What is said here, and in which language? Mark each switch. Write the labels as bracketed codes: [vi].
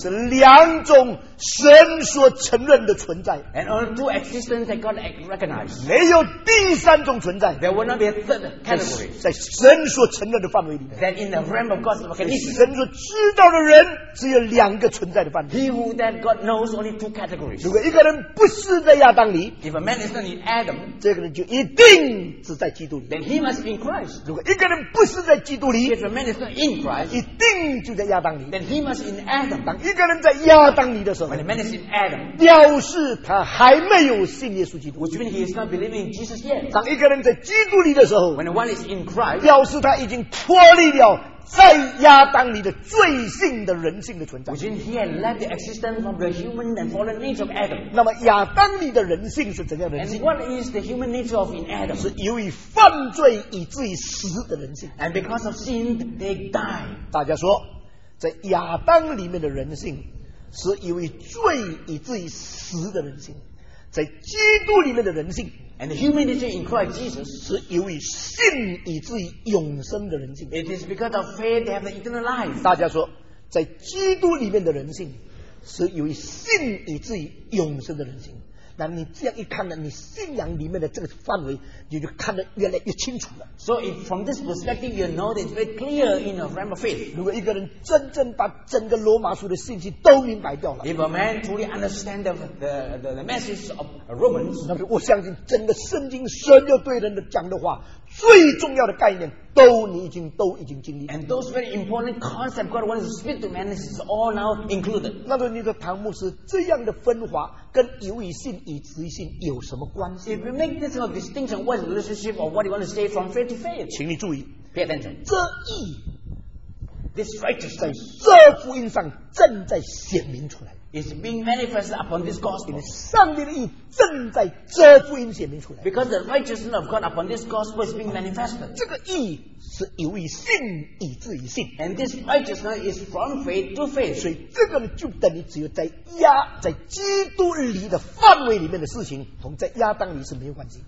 [zh] 是两种神所承认的存在。 [en] And only two existence that God recognized. [zh] 没有第三种存在。 [en] There will not be a third category. [zh] 在神所承认的范围里。 [en] That in the realm of God's recognition. [zh] 神所知道的人只有两个存在的范围。 [en] He who that God knows only two categories. [zh] 如果一个人不是在亚当里。 [en] If a man is not in Adam. [zh] 这个人就一定是在基督里。 [en] Then he must be in Christ. [zh] 如果一个人不是在基督里。 [en] If a man is not in Christ. [zh] 一定就在亚当里。 [en] Then he must be in Adam. [zh] 当一个人在亚当里的时候。 [en] When a man is in Adam, [zh] 表示他还没有信耶稣基督。 [en] Which means he is not believing in Jesus yet. [zh] 当一个人在基督里的时候， [en] When one is in Christ, [zh] 表示他已经脱离了在亚当里的罪性的人性的存在。 [en] Which means he had left the existence of the human and fallen nature of Adam. [zh] 那么亚当里的人性是怎样的人性？ [en] And what is the human nature of in Adam? [zh] 是由于犯罪以至于死的人性。 [en] And because of sin, they die. [zh] 大家说，在亚当里面的人性是因为罪以至于死的人性，在基督里面的人性 [en] and the human nature in Christ Jesus [zh] 是因为信以至于永生的人性。 [en] It is because of faith they have the eternal life. [zh] 大家说，在基督里面的人性是因为信以至于永生的人性。那你这样一看呢，你信仰里面的这个范围，你就看得越来越清楚了。 [en] So if from this perspective you know that it's very clear in the realm of faith. [zh] 如果一个人真正把整个罗马书的信息都明白掉了， [en] if a man truly understand the message of Romans, [zh] 那么我相信整个圣经神就对人的讲的话，最重要的概念都你已经经历。 [en] And those very important concepts God wants to speak to man is all now included. [zh] 那么你的唐牧师这样的分化跟由于信以至于信有什么关系？ [en] If you make this kind of distinction, what is the relationship or what you want to say from faith to faith? [zh] 请你注意， [en] pay attention. [zh] 这义 [en] this righteousness [zh] 在这福音上正在显明出来。 [en] Is being manifested upon this gospel. [zh] 上帝的义正在这福音显明出来。 [en] Because the righteousness of God upon this gospel is being manifested. [zh] 这个义是由于信以至于信。 [en] And this righteousness is from faith to faith. [zh] 所以这个就等于只有在亚在基督里的范围里面的事情，同在亚当里是没有关系的。